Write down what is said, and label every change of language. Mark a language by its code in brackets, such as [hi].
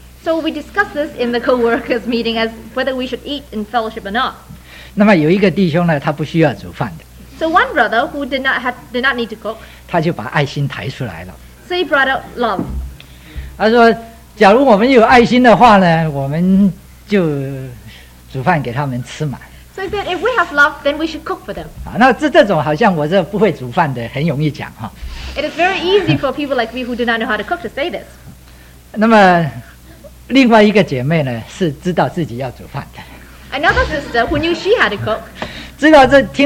[en] So we discussed this in the co-workers' meeting as whether we should eat in fellowship or not. [zh] 那么有一个弟兄呢，他不需要煮饭的。 [en] So one brother who did not need to cook. [zh] 他就把爱心抬出来了。 [en] So he brought out love. [zh] 他说，假如我们有爱心的话呢，我们就煮饭给他们吃嘛。 [en] So he said, if we have love, then we should cook for them. [zh] 啊，那这种好像我这不会煮饭的很容易讲哈。 [en] It is very easy for people like me who do not know how to cook to say this. [zh] 那么另外一个姐妹呢，是知道自己要煮饭的。 [en] Another sister who knew she had to cook.